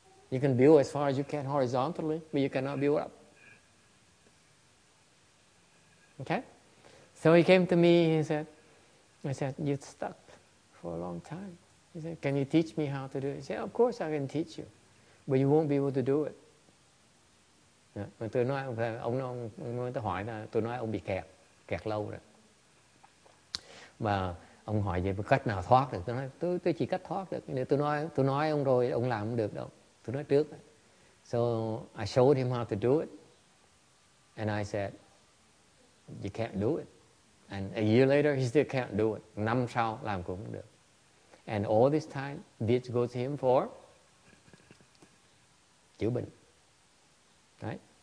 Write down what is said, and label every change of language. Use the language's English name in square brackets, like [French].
[English] You can build as far as you can horizontally, but you cannot build up. Okay? So he came to me and I said, you're stuck for a long time. He said, can you teach me how to do it? He said, of course I can teach you. But you won't be able to do it. [Vietnamese] Tôi nói, ông hỏi là, tôi nói ông bị kẹt, kẹt lâu rồi. Mà ông hỏi về cách nào thoát được. Tôi nói, tôi chỉ cách thoát được. Tôi nói ông rồi, ông làm không được đâu. Tôi nói trước. [English] So I showed him how to do it. And I said, you can't do it. And a year later, he still can't do it. [Vietnamese] Năm sau, làm cũng được. [English] And all this time, this goes to him for [Vietnamese] chữa bệnh. [English] Right?